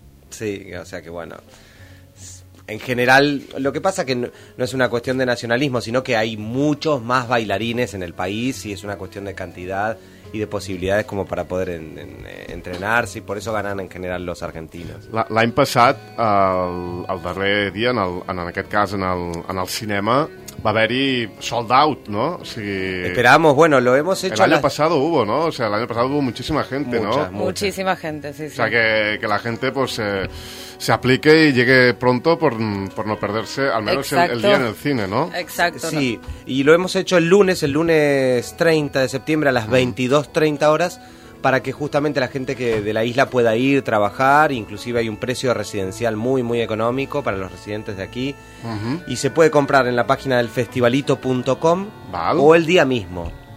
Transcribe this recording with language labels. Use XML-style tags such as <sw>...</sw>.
<es>Sí, o sea que bueno. En general, lo que pasa es que no es una cuestión de nacionalismo, sino que hay muchos más bailarines en el país y es una cuestión de cantidad y de posibilidades como para poder entrenarse, y por eso ganan en general los argentinos.</es> <ca>L'any passat, el darrer dia, en aquest cas, en el cinema, va haver-hi sold out, ¿no? O sigui,</ca> <es>esperamos, bueno, lo hemos hecho... El año pasado hubo muchísima gente, mucha, ¿no? Muchísima gente, sí. O sea, que la gente pues se aplique y llegue pronto por no perderse, al menos el día en el cine, ¿no? Exacto. Sí, y lo hemos hecho el lunes 30 de septiembre a las 22:30 horas, para que justamente la gente que de la isla pueda ir a trabajar, inclusive hay un precio residencial muy, muy económico para los residentes de aquí, y se puede comprar en la página del festivalito.com o el día mismo.</es>